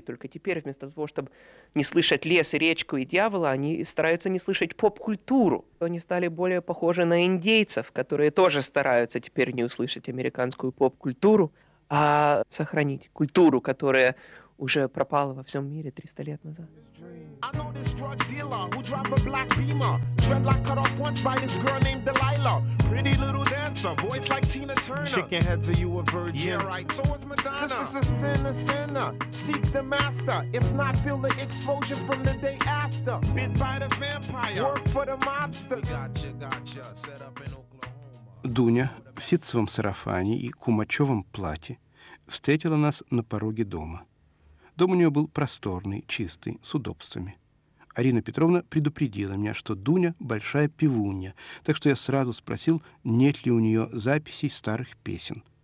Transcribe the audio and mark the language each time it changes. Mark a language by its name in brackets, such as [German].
[Russian] Только теперь, вместо того, чтобы не слышать лес и речку и дьявола, они стараются не слышать поп-культуру. Они стали более похожи на индейцев, которые тоже стараются теперь не услышать американскую поп-культуру, а сохранить культуру, которая уже пропала во всем мире 300 лет назад. [English] I know this drug dealer who drive a black beamer. Dreadlock cut off once by this girl named Delilah. Pretty little dancer, voice like Tina Turner. Chicken heads, are you a virgin? Yeah, right. So is Madonna. This is a sinner, sinner. Seek the master. If not, feel the explosion from the day after. Bit by the vampire. Work for the mobster. Gotcha, gotcha. Set up in Oklahoma. [Russian] Дуня в ситцевом сарафане и кумачевом платье встретила нас на пороге дома. Дом у нее был просторный, чистый, с удобствами. Арина Петровна предупредила меня, что Дуня – большая певунья, так что я сразу спросил, нет ли у нее записей старых песен.